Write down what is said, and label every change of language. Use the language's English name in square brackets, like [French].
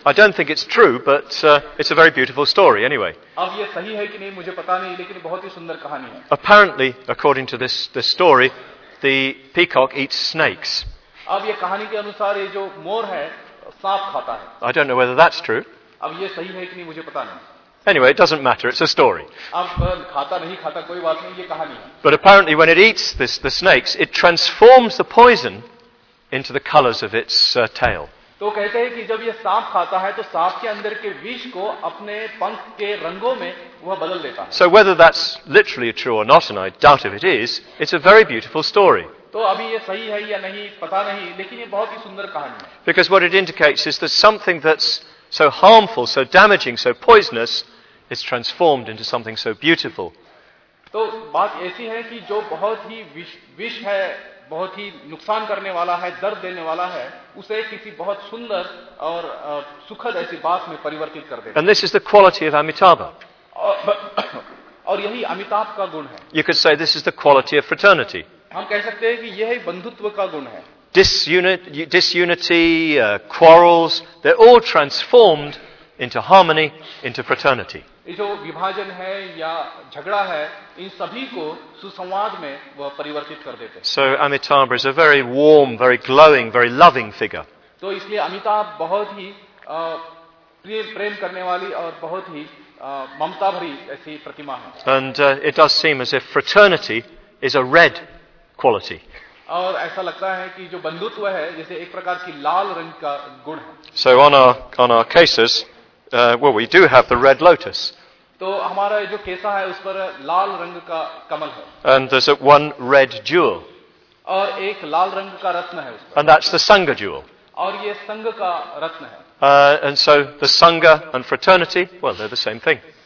[English] I don't think it's true, but it's a very beautiful story anyway. [Hindi] अब ये सही है कि नहीं मुझे पता नहीं, लेकिन बहुत ही सुंदर कहानी है. [English] Apparently, according to this story, the peacock eats snakes. [Hindi] अब ये कहानी के अनुसार ये जो मोर है सांप खाता है. [English] I don't know whether that's true. [Hindi] अब ये सही है कि नहीं मुझे पता नहीं. [English] Anyway, it doesn't matter. It's a story. [Hindi] अब खाता नहीं खाता कोई बात नहीं, ये कहानी है. [English] But apparently when it eats the snakes, it transforms the poison into the colors of its tail. [Hindi] तो कहते हैं कि जब ये सांप खाता है तो सांप के अंदर के विष को अपने पंख के रंगों में वह बदल लेता है। [English] So whether that's literally true or not, and I doubt if it is, it's a very beautiful story. [Hindi] तो अभी ये सही है या नहीं पता नहीं, लेकिन ये बहुत ही सुंदर कहानी है। [English] Because what it indicates is that something that's so harmful, so damaging, so poisonous is transformed into something so beautiful. [Hindi] तो बात ऐसी है कि जो बहुत ही विष है, बहुत ही नुकसान करने वाला है, दर्द देने वाला है, उसे किसी बहुत सुंदर और सुखद ऐसी बात में परिवर्तित कर देता [English] है। And this is the quality of Amitabha. [Hindi] और यही अमिताभ का गुण है। [English] You could say this is the quality of fraternity. [Hindi] हम कह सकते हैं कि यह बंधुत्व का गुण है। [English] Disunity, quarrels, they're all transformed into harmony, into fraternity. [Hindi] जो विभाजन है या झगड़ा है, इन सभी को सुसंवाद में वह परिवर्तित कर देते हैं। [English] So Amitabha is a very warm, very glowing, very loving figure. [Hindi] तो इसलिए अमिताभ बहुत ही प्रेम करने वाली और बहुत ही ममता भरी ऐसी प्रतिमा है। [English] And it does seem as if fraternity is a red quality. [Hindi] और ऐसा लगता है कि जो बंधुत्व है, जैसे एक प्रकार की लाल रंग का गुण है। [English] So on our cases, well, we do have the red lotus. [Hindi] तो हमारा जो केसा है उस पर लाल रंग का कमल है। [English] And there's one red jewel. [Hindi] और एक लाल रंग का रत्न है उस पर। [English] And that's the Sangha jewel. [Hindi] और ये संघ का रत्न है। [English] And so the Sangha and fraternity, well, they're the same thing.